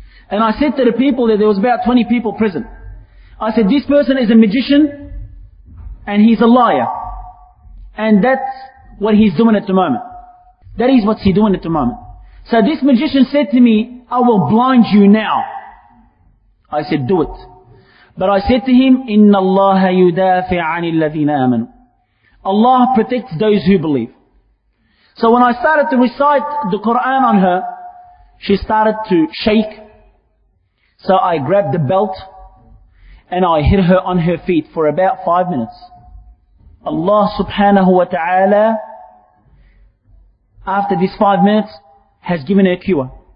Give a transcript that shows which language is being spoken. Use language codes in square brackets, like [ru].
[en] And I said to the people, that there was about 20 people present, I said, this person is a magician and he's a liar. And that's what he's doing at the moment. That is what he's doing at the moment. So this magician said to me, I will blind you now. I said, do it. But I said to him, [ar] إِنَّ اللَّهَ يُدَافِعَ عَنِ الَّذِينَ آمَنُوا. [en] Allah protects those who believe. So when I started to recite the Quran on her, she started to shake. So I grabbed the belt and I hit her on her feet for about 5 minutes. Allah subhanahu wa ta'ala, after these 5 minutes, has given her a cure.